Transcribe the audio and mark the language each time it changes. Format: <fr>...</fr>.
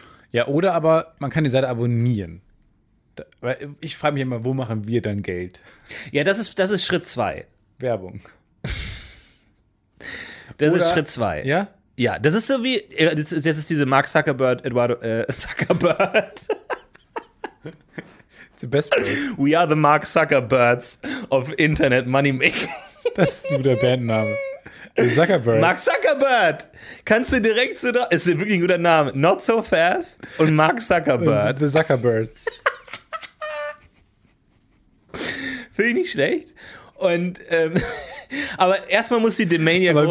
<de>Ja, oder aber man kann die Seite abonnieren. Weil ich frage mich immer, wo machen wir dann Geld? Ja, das ist Schritt 2. Werbung. Das oder, ist Schritt 2. Ja? Ja, das ist so wie, jetzt ist diese Mark Zuckerberg, Eduardo Zuckerberg.</de> <en>The best word. We are the Mark Zuckerbergs of Internet Money Making.</en> <de>Das ist nur der Bandname. Zuckerberg. Mark Zuckerberg. Kannst du direkt so da, ist wirklich ein guter Name. Not So Fast und Mark Zuckerberg.</de> <en>The Zuckerbergs.</en> <de>Finde ich nicht schlecht. Und aber erstmal muss die Demania groß werden.</de>